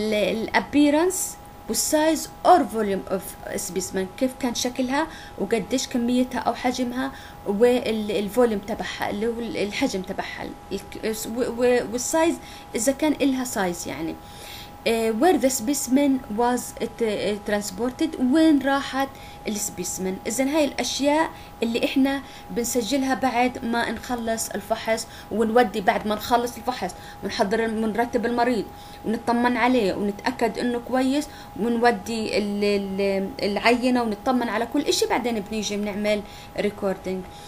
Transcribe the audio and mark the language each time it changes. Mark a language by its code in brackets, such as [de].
[en] الابيرنس والسايز or volume of specimen, [ar] كيف كان شكلها وقديش كميتها او حجمها، والفوليوم تبعها اللي هو الحجم تبعها، والسايز اذا كان لها سايز يعني. [en] Where the specimen was transported، [ar] وين راحت السبيسمن. إذن هاي الأشياء اللي إحنا بنسجلها بعد ما نخلص الفحص، ونودي بعد ما نخلص الفحص ونحضر ونرتب المريض ونتطمن عليه ونتأكد إنه كويس، ونودي العينة ونتطمن على كل إشي، بعدين بنيجي بنعمل recording.